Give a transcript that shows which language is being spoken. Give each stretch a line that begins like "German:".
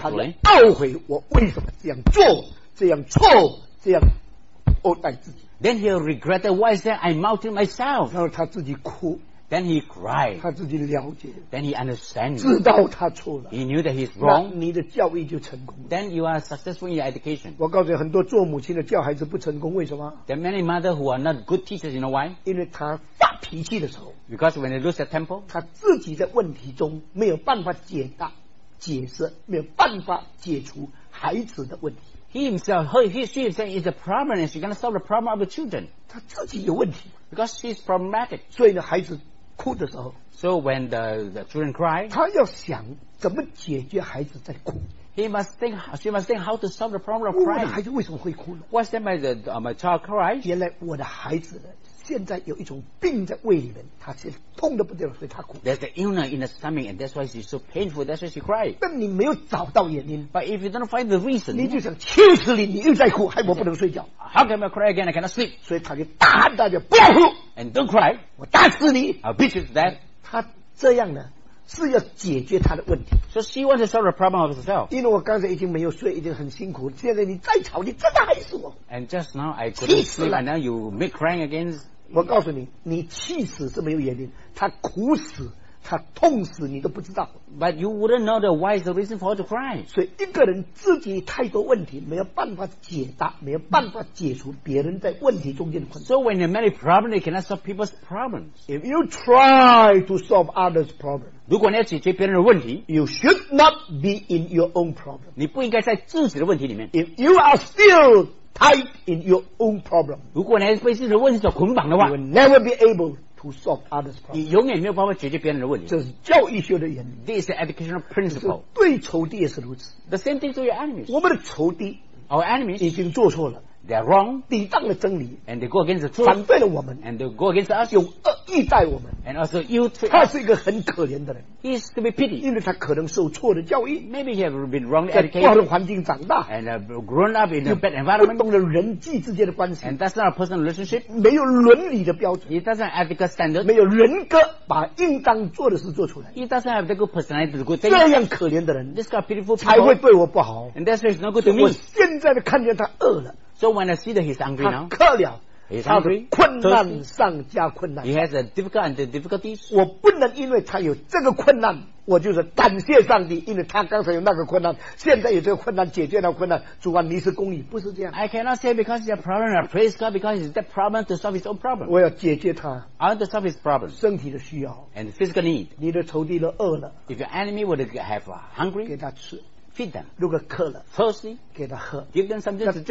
Chinese: 他就懊悔我为什么这样做，这样错，这样殴打自己。
English: Then he regretted why is that I mounted myself.
Chinese: 然后他自己哭。
English: Then he cried.
Chinese: 他自己了解。
English: Then he understands.
Chinese: 知道他错了。
English: He knew that he's wrong.
Chinese: 你的教育就成功。
English: Then you are successful in your education.
Chinese: 我告诉你，很多做母亲的教孩子不成功，为什么？
English: There are many mothers who are not good teachers. You know why?
Chinese: 因为他发脾气的时候。
English: Because when they lose their temper.
Chinese: 他自己在问题中没有办法解答、解释，没有办法解除孩子的问题。
English: He himself, she himself is a problem, and she's going to solve the problem of the children.
Chinese: 他自己有问题。
English: Because she's problematic.
Chinese: 所以呢，孩子。哭的时候
English: so when the children cry,
Chinese: 他要想怎么解决孩子在哭。
English: He must think, she must think how to solve the problem of crying.
Chinese: 我的孩子为什么会哭呢？
English: What's that matter? My child cries.
Chinese: 原来我的孩子现在有一种病在胃里面，他是痛得不得了，所以他哭。
English: There's the illness in the stomach, and that's why she's so painful. That's why she cries.
Chinese: 但你没有找到原因。
English: But if you don't find the reason,
Chinese: 你就想气死你，你又在哭，害我不能睡觉。
English: How can I cry again? I cannot sleep.
Chinese: 所以他就大喊大叫，不要哭。
English: And don't cry.
Chinese: 我打死你。
English: I'll beat you to death.
Chinese: 他这样呢，是要解决他的问题。
English: So she wants to solve the problem of herself.
Chinese: 因为我刚才已经没有睡，已经很辛苦。现在你再吵，你真的害死我。
English: And just now I couldn't sleep, and now you make crying again.
Chinese: 我告诉你，你气死是没有原因，他苦死，他痛死，你都不知道。
English: But you wouldn't know the why is the reason for her to cry.
Chinese: 所以一个人自己太多问题，没有办法解答，没有办法解除别人在问题中间的困难。
English: So when you have many problems, you cannot solve people's problems. If you try to solve others' problems,
Chinese: 如果你要解决别人的问题
English: ，you should not be in your own problem.
Chinese: 你不应该在自己的问题里面。
English: If you are still tied in your own problem,
Chinese: 如果你还是被自己的问题所捆绑的话
English: ，you will never be able to solve others' problems.
Chinese: 你永远没有办法解决别人的问题。这是教育学的原理。
English: This is the educational principle.
Chinese: 对仇敌也是如此。
English: The same thing to your enemies.
Chinese: 我们的仇敌
English: ，our enemies
Chinese: 已经做错了。
English: They are wrong,
Chinese: 抵挡了真理
English: and they go against the truth,
Chinese: 反对了我们
English: and they go against us,
Chinese: 用恶意待我们
English: and also you treat,
Chinese: 他是一个很可怜的人
English: he is to be pitied,
Chinese: 因为他可能受错的教育
English: maybe he has been wrongly educated,
Chinese: 在不好的环境长大
English: and grown up in a bad environment,
Chinese: 不懂得人际之间的关系
English: and that's not a personal relationship,
Chinese: 没有伦理的标准
English: he doesn't have ethical standards,
Chinese: 没有人格把应当做的事做出来
English: he doesn't have the good personality, the good thing,
Chinese: 这样可怜的人
English: this kind of pitiful people,
Chinese: 才会对我不好
English: and that's why it's not good to me,
Chinese: 我现在的看见他饿了
English: So when I see that he's angry now,
Chinese: 他渴了
English: he's hungry,
Chinese: 困难上加困难
English: He has a difficult and difficulties.
Chinese: 我不能因为他有这个困难我就是感谢上帝因为他刚才有那个困难现在有这个困难解决了困难主啊你是公义不是这样
English: I cannot say because it's a problem I praise God because it's that problem to solve his own problem
Chinese: 我要解决他
English: I want to solve his problem
Chinese: 身体的需要
English: and physical need
Chinese: 你的仇敌都饿了
English: if your enemy would have hungry
Chinese: 给他吃
English: Feed them.
Chinese: 如果渴了
English: Firstly,
Chinese: 给他喝
English: Give them something to drink.